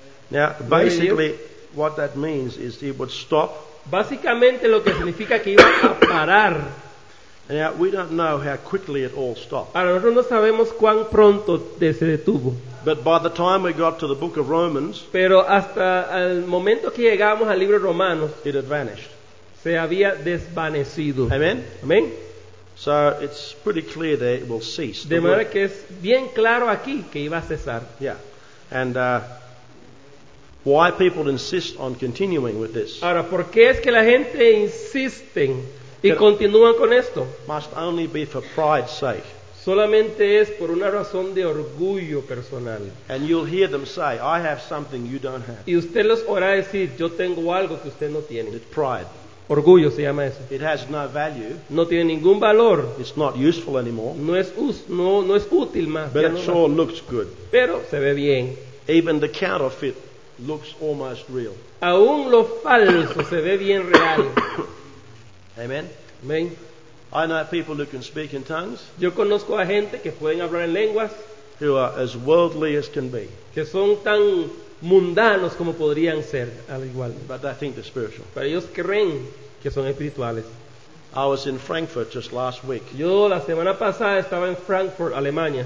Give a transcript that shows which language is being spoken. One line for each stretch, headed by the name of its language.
English: Now, basically, what that means is it would stop.
Spanish: Básicamente, lo que significa que iba a parar.
English: Now, we don't know how quickly it all stopped.
Spanish: Ahora, nosotros no sabemos cuán pronto se detuvo.
English: But by the time we got to the book of Romans,
Spanish: pero hasta el momento que llegamos al libro Romanos,
English: it had vanished.
Spanish: Se había desvanecido.
English: Amen.
Spanish: Amen.
English: So it's pretty clear that it will cease.
Spanish: De manera que es bien claro aquí que iba a cesar.
English: Yeah. And why people insist on continuing with this?
Spanish: Ahora, ¿por qué es que la gente insiste y continúan con esto?
English: Must only be for pride's sake.
Spanish: Solamente es por una razón de orgullo personal.
English: And you'll hear them say, I have something you don't have.
Spanish: Y usted los oirá decir, yo tengo algo que usted no tiene.
English: It's pride.
Spanish: Orgullo se llama eso.
English: It has no value.
Spanish: No tiene ningún valor.
English: It's not useful anymore.
Spanish: No es útil más.
English: But
Spanish: ya
English: it
Spanish: no
English: sure looks good.
Spanish: Pero se ve bien.
English: Even the counterfeit looks almost real.
Spanish: Aún lo falso se ve bien real.
English: Amen.
Spanish: Amen.
English: I know people who can speak in tongues.
Spanish: Yo conozco a gente que pueden hablar en lenguas.
English: Who are as worldly as can be.
Spanish: Que son tan mundanos como podrían ser, al igual.
English: But I think they're spiritual.
Spanish: Pero ellos creen que son espirituales.
English: I was in Frankfurt just last week.
Spanish: Yo la semana pasada estaba en Frankfurt, Alemania.